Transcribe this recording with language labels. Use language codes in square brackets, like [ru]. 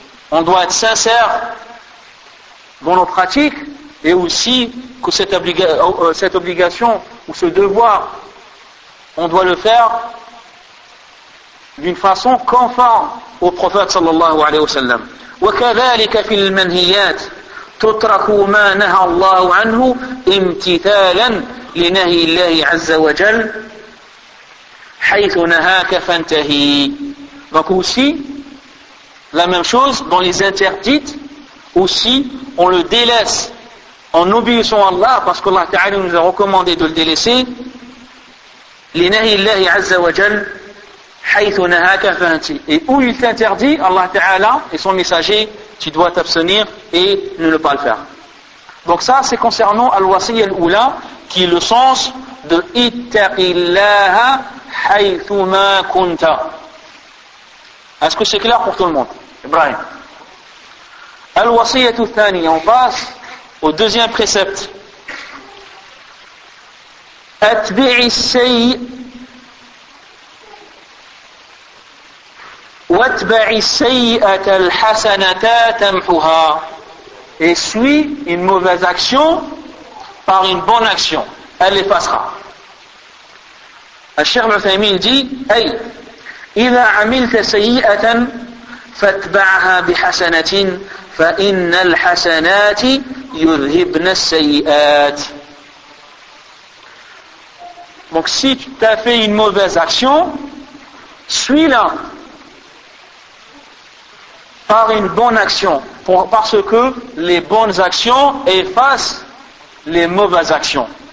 [fr] On doit être sincère dans nos pratiques et aussi que cette obligation ou ce devoir, on doit le faire d'une façon conforme au prophète sallallahu alayhi wa sallam. [ar] وكذلك في المنهيات تترك ما نهى الله عنه امتثالا لنهي الله عز وجل حيث نهاك فانتهي. [fr] Donc aussi, la même chose dans les interdits, aussi on le délaisse en obéissant à Allah, parce que Allah Ta'ala nous a recommandé de le délaisser. [ar] لنهي الله عز وجل حيث نهاك فانتهي. [fr] Et où il t'interdit, Allah Ta'ala et son messager, tu dois t'abstenir et ne le pas le faire. Donc ça, c'est concernant al-wasiyya al-oula, qui est le sens de [ar] ittaqillaha haythuma kunta. [fr] Est-ce que c'est clair pour tout le monde, Ibrahim? [ar] Al-wasiyya al-thani, [fr] on passe au deuxième précepte. [ar] Atbi'i sayyi واتبع السيئه الحسنه تمحها. [fr] Et suit une mauvaise action par une bonne action, elle l'effacera. [ar] الشيخ العثيمين [fr] dit, [ar] اي اذا عملت سيئه فاتبعها بحسنه فان الحسنات يذهبن السيئات. [fr] Donc si tu as fait une mauvaise action, suis-la par une bonne action, parce que les bonnes actions effacent les mauvaises actions.